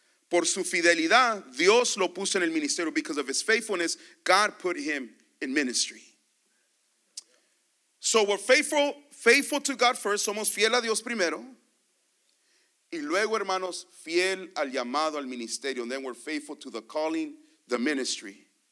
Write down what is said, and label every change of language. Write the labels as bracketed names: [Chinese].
[Spanish] Por su fidelidad, Dios lo puso en el ministerio. [English] Because of his faithfulness, God put him in ministry. So we're faithful to God first. [Spanish] Somos fiel a Dios primero. Y luego, hermanos, fiel al llamado, al ministerio. [English] And then we're faithful to the calling, the ministry.